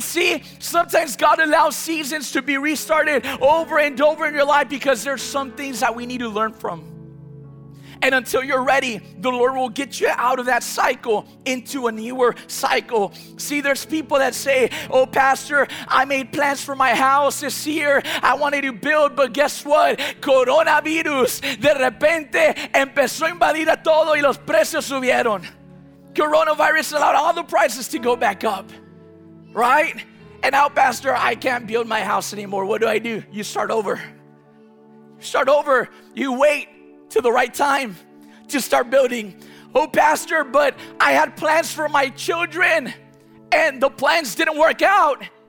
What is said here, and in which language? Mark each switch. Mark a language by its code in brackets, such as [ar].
[en] See, sometimes God allows seasons to be restarted over and over in your life because there's some things that we need to learn from. And until you're ready, the Lord will get you out of that cycle into a newer cycle. See, there's people that say, oh, pastor, I made plans for my house this year. I wanted to build, but guess what? [es] Coronavirus, de repente, empezó a invadir a todo y los precios subieron. [en] Coronavirus allowed all the prices to go back up, right? And now, pastor, I can't build my house anymore. What do? You start over. Start over. You wait till the right time to start building. Oh, pastor, but I had plans for my children and the plans didn't work out.